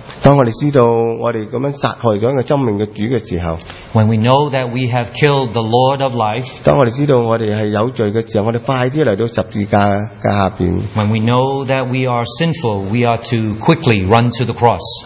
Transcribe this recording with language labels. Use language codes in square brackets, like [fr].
[zh] 当我们知道我们这样杀害了一个生命的主的时候 [en] When we know that we have killed the Lord of life [zh] 当我们知道我们是有罪的时候我们快点来到十字架的下面 [en] When we know that we are sinful we are to quickly run to the cross